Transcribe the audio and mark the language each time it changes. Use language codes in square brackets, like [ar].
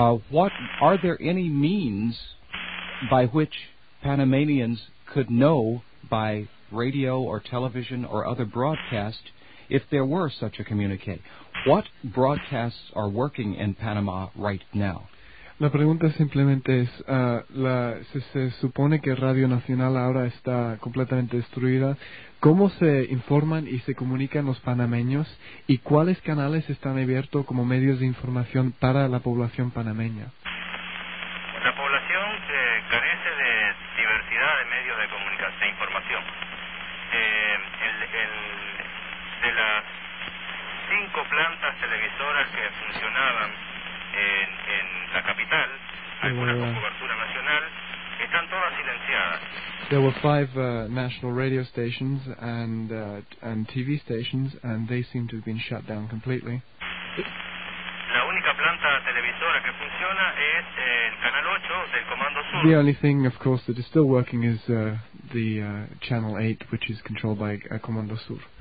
[en] What are there any means by which Panamanians could know by radio or television or other broadcast if there were such a communique? What broadcasts are working in Panama right now? [es] La pregunta simplemente es, se supone que Radio Nacional ahora está completamente destruida. ¿Cómo se informan y se comunican los panameños? ¿Y cuáles canales están abiertos como medios de información para la población panameña? La población carece de diversidad de medios de comunicación, de información. De las 5 plantas televisoras que funcionaban en la capital, alguna con cobertura nacional, están todas silenciadas. [en] There were 5 national radio stations and TV stations, and they seem to have been shut down completely. [es] La única planta televisora que funciona es el canal 8 del Comando Sur. [en] The only thing, of course, that is still working is the channel 8, which is controlled by Comando Sur.